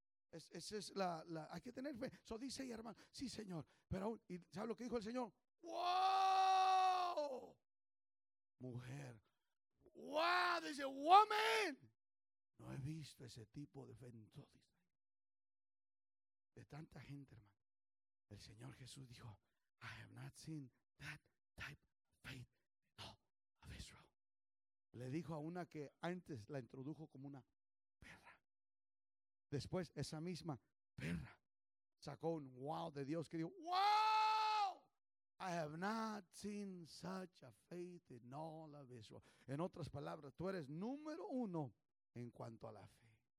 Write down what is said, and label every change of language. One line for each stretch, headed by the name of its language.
Spanish: Esa es la, hay que tener fe. Eso dice ahí, hermano. Sí, Señor. Pero aún, ¿y sabe lo que dijo el Señor? ¡Wow! Mujer. ¡Wow! Dice, woman. No he visto ese tipo de fe en todo Israel. De tanta gente, hermano. El Señor Jesús dijo,
English: I have not seen that type of faith in all of Israel.
Spanish: Le dijo a una que antes la introdujo como una perra. Después, esa misma perra sacó un wow de Dios que dijo, wow,
English: I have not seen such a faith in all of Israel.
Spanish: En otras palabras, tú eres número uno en cuanto a la fe.